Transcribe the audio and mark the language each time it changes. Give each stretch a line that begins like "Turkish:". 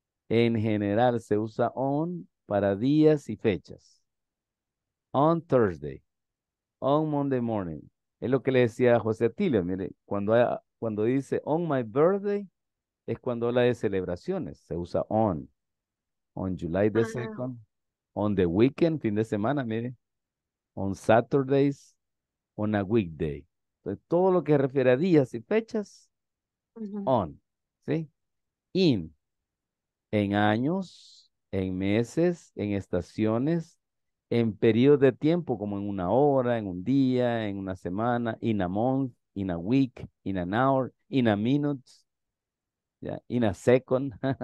Spanish: En general se usa on para días y fechas.
English: On Thursday, on Monday morning.
Spanish: Es lo que le decía a José Atilio, mire, cuando dice
English: on my birthday,
Spanish: es cuando habla de celebraciones, se usa on.
English: On July the 2nd, on the weekend,
Spanish: fin de semana, mire,
English: on Saturdays, on a weekday.
Spanish: Entonces, todo lo que refiere a días y fechas, on, ¿sí? In, en años, en meses, en estaciones, en periodos de tiempo, como en una hora, en un día, en una semana,
English: in a month, in a week, in an hour, in a minute, yeah, in a second.